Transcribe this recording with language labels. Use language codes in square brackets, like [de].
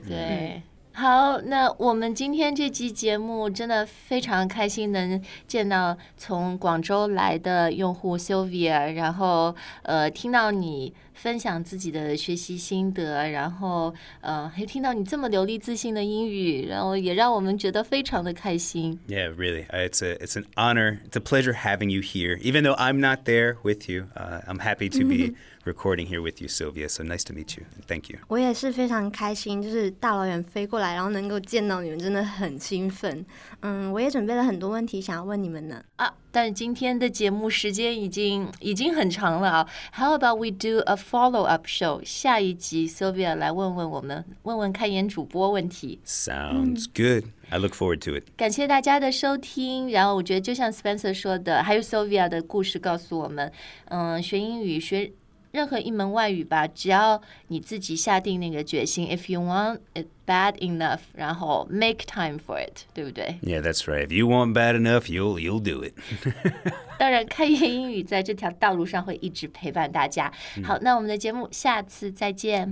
[zh] 对、好那我们今天这期节目真的非常开心能见到从广州来的用户 Sylvia 然后听到你分享自己的学习心得然后还听到你这么流利自信的英语然后也让我们觉得非常的开心 [en] Yeah, really, it's an honor, it's a pleasure having you here even though I'm not there with you, I'm happy to be recording here with you, Sylvia so nice to meet you, thank you [zh] 我也是非常开心就是大老远飞过来然后能够见到你们真的很兴奋我也准备了很多问题想要问你们呢但今天的节目时间已经很长了 [en] How about we do a follow-up show? [zh] 下一集 Sylvia 来问问我们问问看言主播问题 [en] Sounds good. I look forward to it. [zh] 感谢大家的收听然后我觉得就像 Spencer 说的还有 Sylvia 的故事告诉我们学英语学任何一门外语吧只要你自己下定那个决心 [en] If you want it bad enough [zh] 然后 [en] make time for it [zh] 对不对 [en] Yeah, that's right If you want bad enough you'll do it [zh] 当然开言英语在这条道路上会一直陪伴大家好那我们的节目下次再见